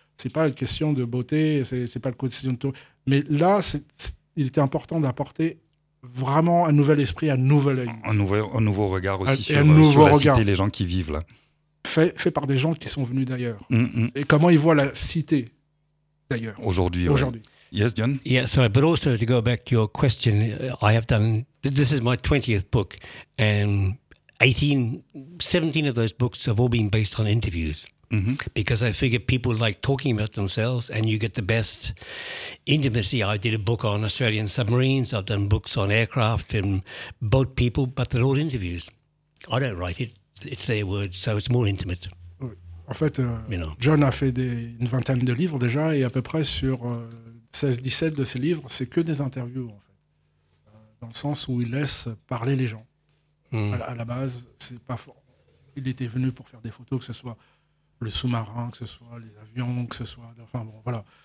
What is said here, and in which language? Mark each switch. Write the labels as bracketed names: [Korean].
[French] C'est pas une question de beauté, c'est pas une question de tout. Mais là, il était important d'apporter vraiment un nouvel esprit, un nouvel œil. Un nouveau regard aussi sur la regard. Cité, les gens qui vivent là. Fait par des gens qui sont venus d'ailleurs. Mm-hmm. Et comment ils voient la cité d'ailleurs aujourd'hui. Ouais. [English] Yes, John? Yeah, sorry, but also to go back to your question, I have done, this is my 20th book, and 17 of those books have all been based on interviews. Mm-hmm. Because I figure people like talking about themselves and you get the best intimacy. I did a book on Australian submarines, I've done books on aircraft and boat people, but they're all interviews. I don't write it. It's their words, so it's more intimate. [French] En fait, John a fait une vingtaine de livres déjà, et à peu près sur 16-17 de ses livres, c'est que des interviews, en fait. Dans le sens où il laisse parler les gens. Mm. À la base, c'est pas fort. Il était venu pour faire des photos, que ce soit le sous-marin, que ce soit les avions, que ce soit... Enfin bon, voilà.